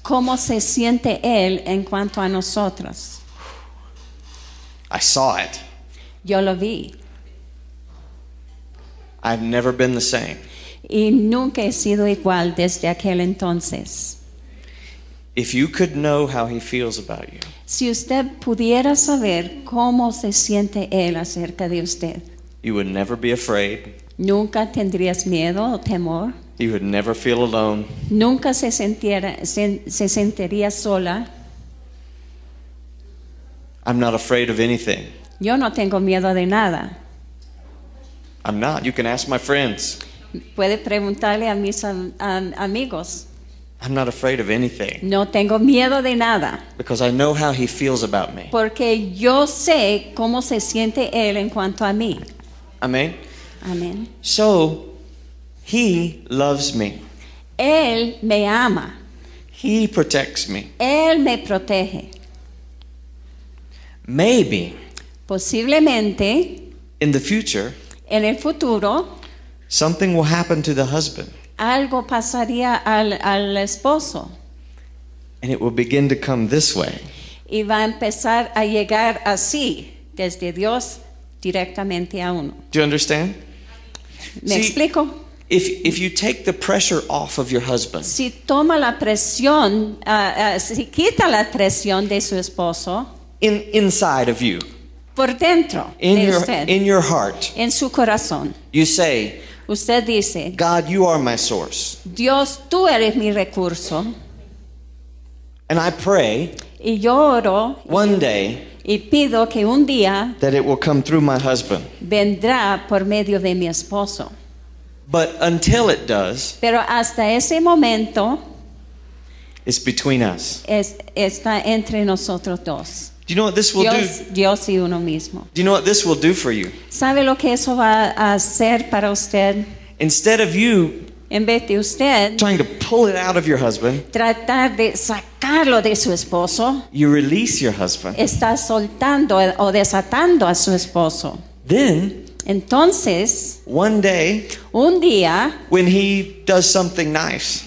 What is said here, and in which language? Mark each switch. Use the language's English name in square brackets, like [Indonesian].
[Spanish] Cómo se siente él en cuanto a nosotros. [English] I saw it. [Spanish] Yo lo vi. [English] I've never been the same. [Spanish] Y nunca he sido igual desde aquel entonces. [English] If you could know how he feels about you. [Spanish] Si usted pudiera saber cómo se siente él acerca de usted. [English] You would never be afraid. [Spanish] Nunca tendrías miedo o temor. [English] You would never feel alone. [Spanish] Nunca se sentiría sola. [English] I'm not afraid of anything. [Spanish] Yo no tengo miedo de nada. [English] I'm not. You can ask my friends. [Spanish] Puede preguntarle a mis amigos. [English] I'm not afraid of anything. [Spanish] No tengo miedo de nada. [English] Because I know how he feels about me. [Spanish] Porque yo sé cómo se siente él en cuanto a mí. Amen. Amen. [English] So, he loves me. [Spanish] Él me ama. [English] He protects me. [Spanish] Él me protege. [English] Maybe. [Spanish] Posiblemente. [English] In the future. [Spanish] En el futuro. [English] Something will happen to the husband. [Spanish] Algo pasaría al esposo. [English] And it will begin to come this way. [Spanish] Y va a empezar a llegar así, desde Dios directamente a uno. [English] Do you understand? [Spanish] ¿Me explico? [English] If you take the pressure off of your husband. [Spanish] Si toma la presión, si quita la presión de su esposo. [English] Inside of you. [Spanish] Por dentro [English] in [Spanish] de [English] your, [Spanish] usted. [English] In your heart. [Spanish] En su corazón. [English] You say. [Spanish] Usted dice. [English] God, you are my source. [Spanish] Dios, tú eres mi recurso. [English] And I pray. [Spanish] Y yo oro. [English] One day. [Spanish] Y pido que un día. [English] That it will come through my husband. [Spanish] Vendrá por medio de mi esposo. [English] But until it does, [Spanish] pero hasta ese momento, [English] it's between us. [Spanish] Está entre nosotros dos. [English] Do you know what this will [Spanish] Dios, [English] do? [Spanish] Dios y uno mismo. [English] Do you know what this will do for you? [Spanish] ¿Sabe lo que eso va a hacer para usted? [English] Instead of you, [Spanish] en vez de usted, [English] trying to pull it out of your husband, [Spanish] tratar de sacarlo de su esposo, [English] you release your husband. [Spanish] Está soltando o desatando a su esposo. [English] Then. [Spanish] Entonces, [English] one day, [Spanish] un día, [English] when he does something nice,